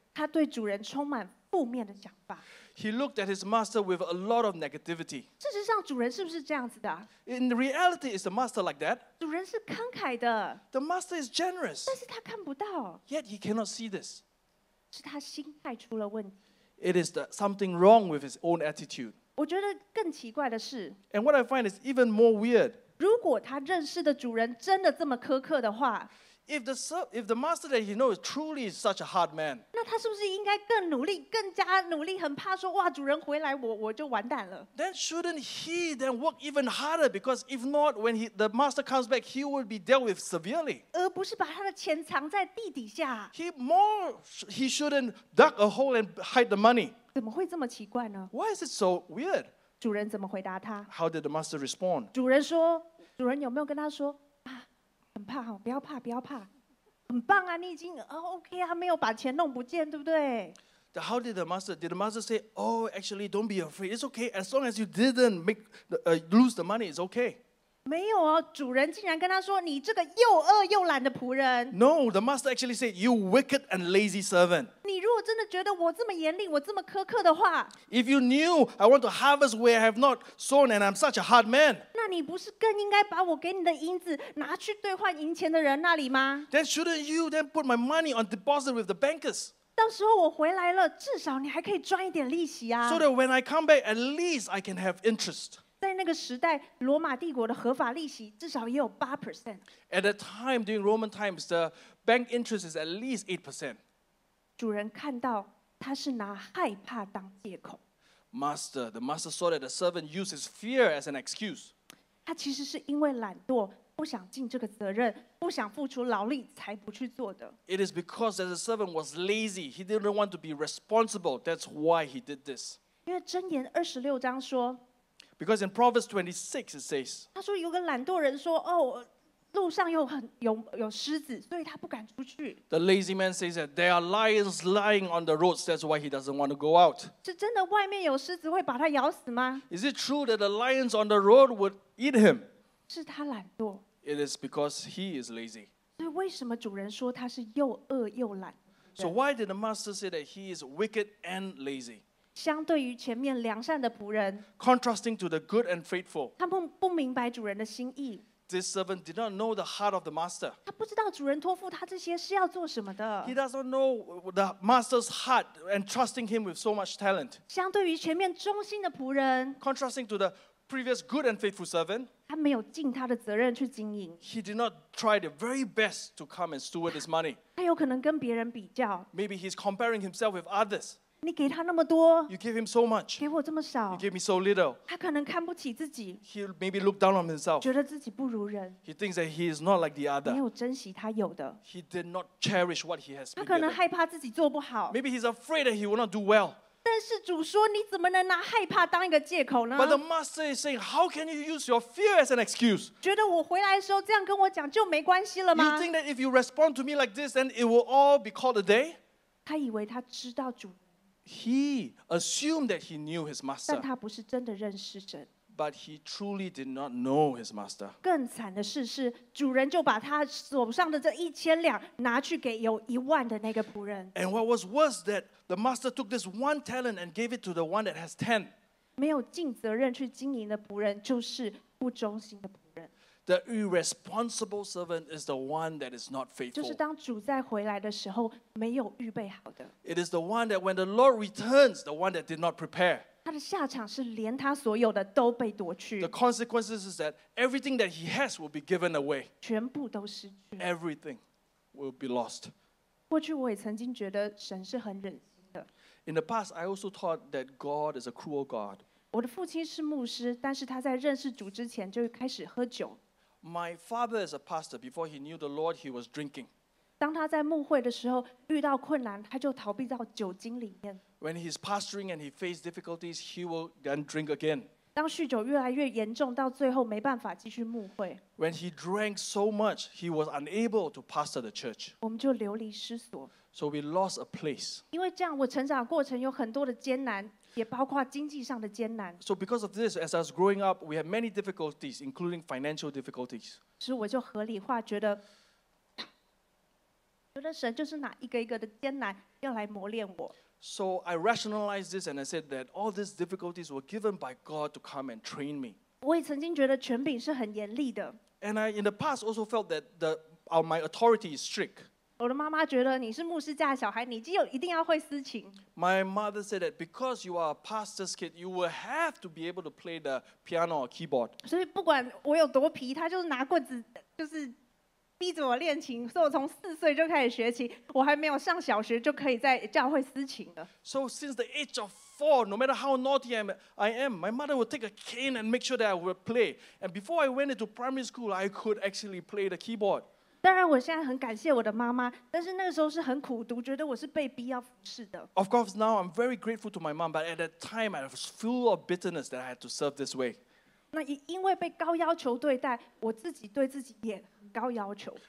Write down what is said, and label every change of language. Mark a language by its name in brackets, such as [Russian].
[Chinese] 他对主人充满负面的想法。 [English] He looked at his master with a lot of negativity. [Chinese] 事实上，主人是不是这样子的？ [English] In reality, is the master like that? [Chinese] 主人是慷慨的。 [English] The master is generous. [Chinese] 但是他看不到。 [English] Yet he cannot see this. [Chinese] 是他心态出了问题。 [English] It is something wrong with his own attitude. [Chinese] 我觉得更奇怪的是。 [English] And what I find is even more weird. [Chinese] 如果他认识的主人真的这么苛刻的话。 [English] if the master that he knows truly is such a hard man, [Chinese] 那他是不是应该更努力，更加努力，很怕说哇，主人回来，我就完蛋了。 [English] Then shouldn't he then work even harder? Because if not, when the master comes back, he will be dealt with severely. [Chinese] 而不是把他的钱藏在地底下。 [English] He shouldn't dug a hole and hide the money. [Chinese] 怎么会这么奇怪呢？ [English] Why is it so weird? [Chinese] 主人怎么回答他？ [English] How did the master respond? [Chinese] 主人说，主人有没有跟他说？很怕哦，不要怕，不要怕，很棒啊！你已经OK 啊，没有把钱弄不见，对不对 [English] ？How did the master? Did the master say, "Oh, actually, don't be afraid. It's okay. As long as you didn't make lose the money, it's okay." [Chinese] 没有哦，主人竟然跟他说：“你这个又饿又懒的仆人。” [English] No, the master actually said, "You wicked and lazy servant." [Chinese] 你如果真的觉得我这么严厉，我这么苛刻的话 [English] ，If you knew I want to harvest where I have not sown, and I'm such a hard man. [Chinese] 你不是更应该把我给你的银子拿去兑换银钱的人那里吗 [English] ？Then shouldn't you then put my money on deposit with the bankers？ [Chinese] 到时候我回来了，至少你还可以赚一点利息啊。 [English] So that when I come back, at least I can have interest. [Chinese] 在那个时代，罗马帝国的合法利息至少也有8%。 [English] At that time, during Roman times, the bank interest is at least 8%. [Chinese] 主人看到他是拿害怕当借口。 [English] Master, the master saw that the servant used his fear as an excuse. [Chinese] 他其实是因为懒惰，不想尽这个责任，不想付出劳力，才不去做的。 [English] It is because that the servant was lazy. He didn't want to be responsible. That's why he did this. [Chinese] 因为箴言二十六章说 [English] ，Because in Proverbs 26 it says， [Chinese] 他说有个懒惰人说，哦，路上有狮子，所以他不敢出去。 [English] The lazy man says that there are lions lying on the roads. That's why he doesn't want to go out. [Chinese] 是真的外面有狮子会把他咬死吗 [English] ？Is it true that the lions on the road would eat him? [Chinese] 是他懒惰。 [English] It is because he is lazy. [Chinese] 所以为什么主人说他是又饿又懒 [English] ？So why did the master say that he is wicked and lazy? [Chinese] 相对于前面良善的仆人 [English] ，contrasting to the good and faithful， [Chinese] 他们不明白主人的心意。 [English] This servant did not know the heart of the master. [Chinese] 他不知道主人托付他这些是要做什么的。 [English] He does not know the master's heart entrusting him with so much talent. [Chinese] 相对于前面忠心的仆人 [English] ，contrasting to the previous good and faithful servant, [Chinese] 他没有尽他的责任去经营。 [English] He did not try the very best to come and steward his money. [Chinese] 他有可能跟别人比较。 [English] Maybe he's comparing himself with others. [Chinese] 你给他那么多 [English] ，You give him so much， [Chinese] 给我这么少 [English] ，You give me so little。 [Chinese] 他可能看不起自己 [English] ，He maybe look down on himself， [Chinese] 觉得自己不如人 [English] ，He thinks that he is not like the other， [Chinese] 没有珍惜他有的 [English] ，He did not cherish what he has。 [Chinese] 他可能害怕自己做不好 [English] ，Maybe he's afraid that he will not do well。 [Chinese] 但是主说，你怎么能拿害怕当一个借口呢 [English] ？But the master is saying, how can you use your fear as an excuse？ [Chinese] 觉得我回来的时候这样跟我讲就没关系了吗 [English] ？You think that if you respond to me like this, then it will all be called a day？ [Chinese] 他以为他知道主。 [English] He assumed that he knew his master. [Chinese] 但他不是真的认识神。 [English] But he truly did not know his master. [Chinese] 更惨的是，主人就把他手上的这一千两拿去给有一万的那个仆人。 [English] And what was worse that the master took this one talent and gave it to the one that has ten. [Chinese] 没有尽责任去经营的仆人就是不忠心的仆人。 [English] The irresponsible servant is the one that is not faithful. [Chinese] 就是当主再回来的时候没有预备好的。 [English] It is the one that when the Lord returns, the one that did not prepare. [Chinese] 他的下场是连他所有的都被夺去。 [English] The consequences is that everything that he has will be given away. [Chinese] 全部都失去。 [English] Everything will be lost. [Chinese] 过去我也曾经觉得神是很忍心的。 [English] In the past, I also thought that God is a cruel God. [Chinese] 我的父亲是牧师，但是他在认识主之前就开始喝酒。 [English] My father is a pastor. Before he knew the Lord, he was drinking. [Chinese] 当他在牧会的时候遇到困难，他就逃避到酒精里面。 [English] When he's pastoring and he faced difficulties, he will then drink again. [Chinese] 当酗酒越来越严重，到最后没办法继续牧会。 [English] When he drank so much, he was unable to pastor the church. [Chinese] 我们就流离失所。 [English] So we lost a place. [Chinese] 因为这样，我成长过程有很多的艰难。也包括经济上的艰难。 [English] So because of this, as I was growing up, we had many difficulties, including financial difficulties. [Chinese] 所以我就合理化，觉得神就是拿一个一个的艰难要来磨练我。 [English] So I rationalized this and I said that all these difficulties were given by God to come and train me. [Chinese] 我也曾经觉得权柄是很严厉的。 [English] And I, in the past, also felt that my authority is strict. [Chinese] 我的妈妈觉得你是牧师家的小孩，你就一定要会司琴。 [English] My mother said that because you are a pastor's kid, you will have to be able to play the piano or keyboard. [Chinese] 所以不管我有多皮，她就是拿棍子，就是逼着我练琴，所以我从四岁就开始学琴，我还没有上小学就可以在教会私琴了。 [English] So since the age of four, no matter how naughty I am, my mother would take a cane and make sure that I would play. And before I went into primary school, I could actually play the keyboard. [Chinese] 当然，我现在很感谢我的妈妈，但是那个时候是很苦读，觉得我是被逼要服侍的。 [English] Of course, now I'm very grateful to my mom, but at that time, I was full of bitterness that I had to serve this way. [Chinese] 那因为被高要求对待，我自己对自己也很高要求。